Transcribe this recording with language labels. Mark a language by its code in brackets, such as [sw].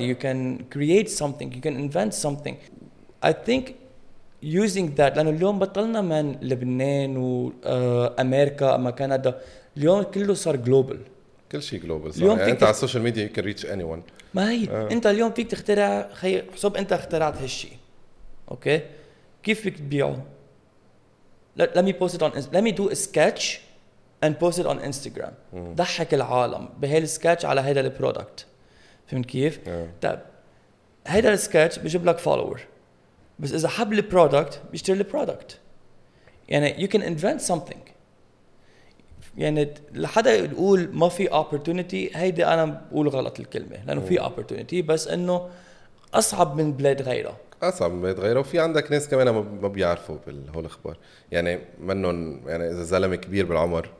[en] You can create something. You can invent something. I think using that [ar] لأنه اليوم بطلنا من لبنان وأمريكا أما كندا، اليوم كله صار global. كل شيء global. صح. يعني أنت على السوشيال ميديا [en] you can reach anyone. [ar] ما هي. أنت اليوم فيك تخترع، حسب أنت اخترعت هالشيء. أوكي. كيف فيك تبيعه؟ [en] Let me post it on. Let me do a sketch. And post it on Instagram. [ar] ضحك العالم بهالسكتش على هذا البرودكت. فهمت كيف؟ طيب هذا السكتش بجيب لك فولوور. بس إذا حب البرودكت بيشتري البرودكت. [en] يعني you can invent something. [ar] يعني لحدا يقول ما في opportunity، هيدا أنا بقول غلط الكلمة، لأنه في opportunity بس إنه أصعب من بلاد غيره. أصعب من بلاد غيره، وفي عندك ناس كمان ما بيعرفوا بالهول أخبار، يعني منهم يعني إذا زلمة كبير بالعمر